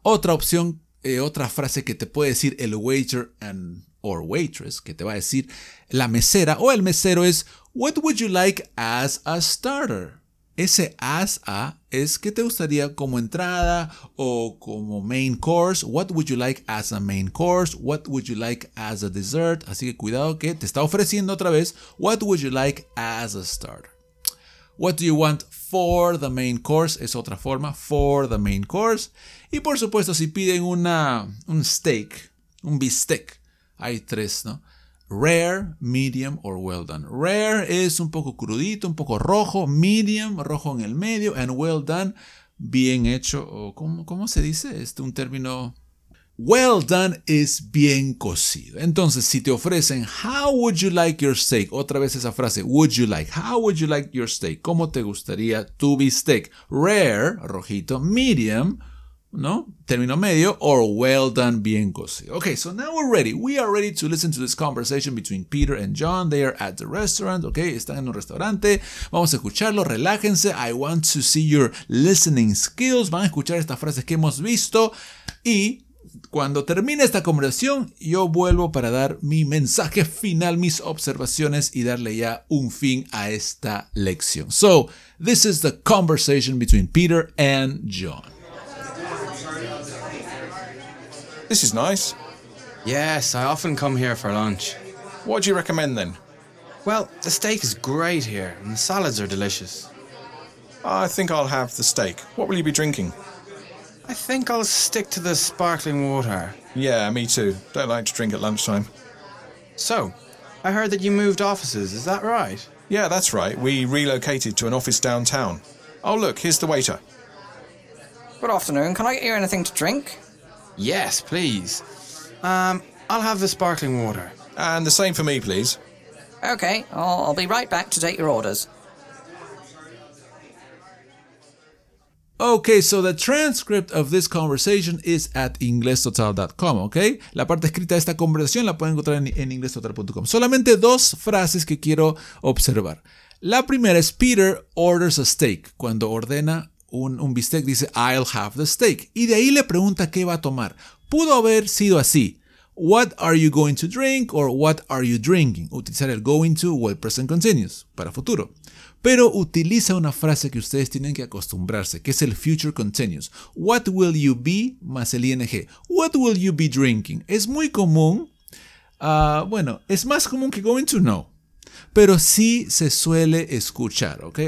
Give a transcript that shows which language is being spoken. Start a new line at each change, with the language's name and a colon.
Spanish: Otra opción. Otra frase que te puede decir el waiter and or waitress, que te va a decir la mesera o el mesero es
English: What would you like as a starter?
Spanish: Ese as a es ¿qué te gustaría como entrada o como main course?
English: What would you like as a main course? What would you like as a dessert?
Spanish: Así que cuidado que te está ofreciendo otra vez
English: What would you like as a starter? What do you want for the main course?
Spanish: Es otra forma, for the main course. Y por supuesto, si piden un steak, un bistec, hay tres, ¿no?
English: Rare, medium or well done.
Spanish: Rare es un poco crudito, un poco rojo. Medium, rojo en el medio.
English: And well done,
Spanish: bien hecho. ¿Cómo se dice? Un término... Well done es bien cocido. Entonces, si te ofrecen,
English: how would you like your steak?
Spanish: Otra vez esa frase,
English: would you like? How would you like your steak?
Spanish: ¿Cómo te gustaría tu bistec? Rare, rojito, medium, ¿no? Término medio,
English: or well done,
Spanish: bien cocido.
English: Okay, so now we're ready. We are ready to listen to this conversation between Peter and John. They are at the restaurant, okay?
Spanish: Están en un restaurante. Vamos a escucharlo, relájense.
English: I want to see your listening skills.
Spanish: Van a escuchar estas frases que hemos visto y... Cuando termine esta conversación, yo vuelvo para dar mi mensaje final, mis observaciones y darle ya un fin a esta lección.
English: So, this is the conversation between Peter and John. This is nice. Yes, I often come here for lunch. What do you recommend then? Well, the steak is great here and the salads are delicious. I think I'll have the steak. What will you be drinking? I think I'll stick to the sparkling water. Yeah, me too. Don't like to drink at lunchtime. So, I heard that you moved offices, is that right? Yeah, that's right. We relocated to an office downtown. Oh look, here's the waiter. Good afternoon, can I get you anything to drink? Yes, please. I'll have the sparkling water. And the same for me, please. Okay, I'll be right back to take your orders. Okay, so the transcript of this conversation is at inglestotal.com, okay?
Spanish: La parte escrita de esta conversación la pueden encontrar en inglestotal.com. Solamente dos frases que quiero observar. La primera es
English: Peter orders a steak.
Spanish: Cuando ordena un bistec, dice
English: I'll have the steak.
Spanish: Y de ahí le pregunta qué va a tomar. Pudo haber sido así.
English: What are you going to drink or what are you drinking?
Spanish: Utilizar el going to o el present continuous para futuro. Pero utiliza una frase que ustedes tienen que acostumbrarse, que es el future continuous.
English: What will you be
Spanish: más el ing.
English: What will you be drinking?
Spanish: Es muy común. Bueno, es más común que going to, no. Pero sí se suele escuchar, ¿ok?